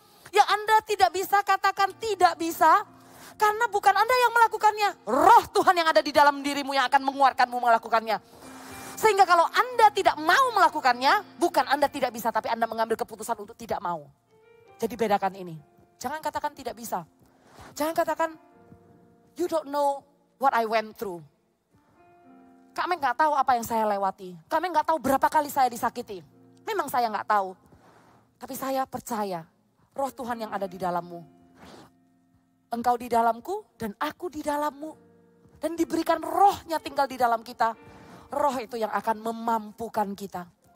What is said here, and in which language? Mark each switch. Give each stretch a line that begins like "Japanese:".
Indonesian: Ya Anda tidak bisa katakan tidak bisa. Karena bukan Anda yang melakukannya. Roh Tuhan yang ada di dalam dirimu yang akan menguatkanmu melakukannya. Sehingga kalau Anda tidak mau melakukannya, bukan Anda tidak bisa, tapi Anda mengambil keputusan untuk tidak mau. Jadi bedakan ini. Jangan katakan tidak bisa. Jangan katakan,
English: you don't know what I went through.
Indonesian: Kami gak tahu apa yang saya lewati. Kami gak tahu berapa kali saya disakiti. Memang saya gak tahu. Tapi saya percaya, Roh Tuhan yang ada di dalammu. Engkau di dalamku dan aku di dalammu. Dan diberikan rohnya tinggal di dalam kita. Roh itu yang akan memampukan kita.